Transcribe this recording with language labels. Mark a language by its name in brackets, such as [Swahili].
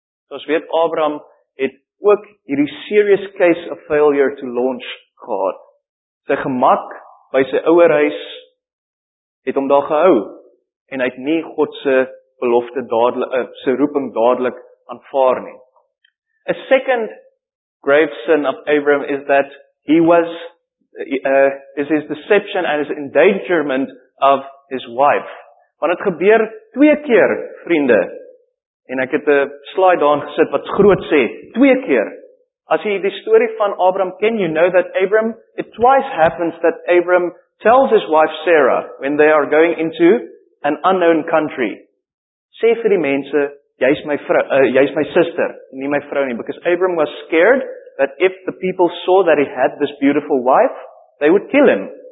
[Afrikaans] Ons weet Abraham het ook hierdie [English] serious case of failure to launch [Afrikaans] gehad. Sy gemak by sy ouer huis het hom daar gehou en hy het nie God se belofte dadelik sy roeping dadelik aanvaar nie. [English] A second grave sin of Abram is that he was is his deception and his endangerment of his wife. [Afrikaans] Want dit gebeur twee keer, vriende. En ek het 'n slide daarin gesit wat groot sê, twee keer. As jy die storie van Abram ken, [English] you know that Abram, it twice happens that Abram tells his wife Sarah when they are going into an unknown country. [Afrikaans] Sê vir die mense, jy's my vrou, jy's my suster, nie my vrou nie, [English] because Abram was scared that if the people saw that he had this beautiful wife, they would kill him.